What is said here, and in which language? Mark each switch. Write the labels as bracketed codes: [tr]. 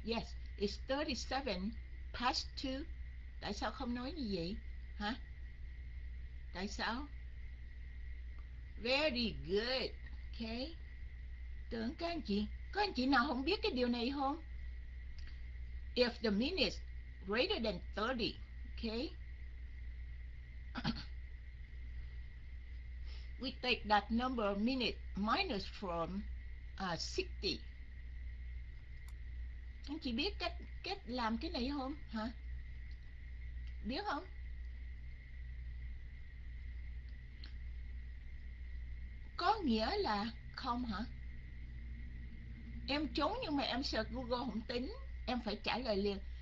[en] Yes, it's 37 past 2. [vi] Tại sao không nói như vậy? Hả? Tại sao? [en] Very good. Ok. [vi] Tưởng các anh chị, có anh chị nào không biết cái điều này không? [en] If the minute is greater than 30, we take that number of minutes minus from 60. [vi] Anh chị biết cách cách làm cái này không? Hả? Biết không? Có nghĩa là không hả? Em trốn nhưng mà em sợ Google không tính. Em phải trả lời liền.